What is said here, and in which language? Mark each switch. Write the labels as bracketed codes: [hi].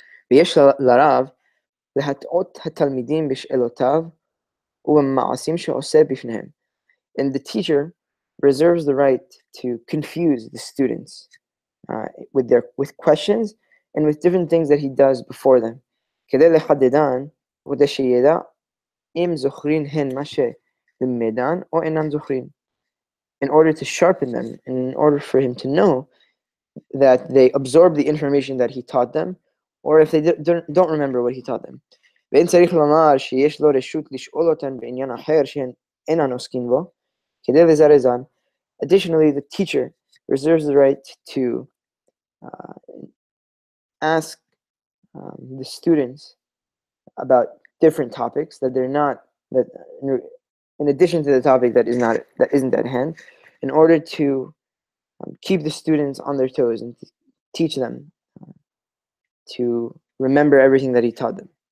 [he] ויש לרב להטעות התלמידים בשאלותיו ובמעשים שעושה בפניהם. [en] And the teacher reserves the right to confuse the students with questions and with different things that he does before them. [he] כדי לחדדן, כדי שידע אם זוכרים הן מה שלמדן או אינם זוכרים. [en] In order to sharpen them, and in order for him to know that they absorb the information that he taught them, or if they don't remember what he taught them. [he] ואין צריך לומר שיש לו רשות לשאול אותן בעניין אחר שהן אינן עוסקים בו, כדי לזרזן. [en] Additionally, the teacher reserves the right to ask the students about different topics that they're not, that in addition to the topic that is not, that isn't at hand, in order to keep the students on their toes and teach them to remember everything that he taught them.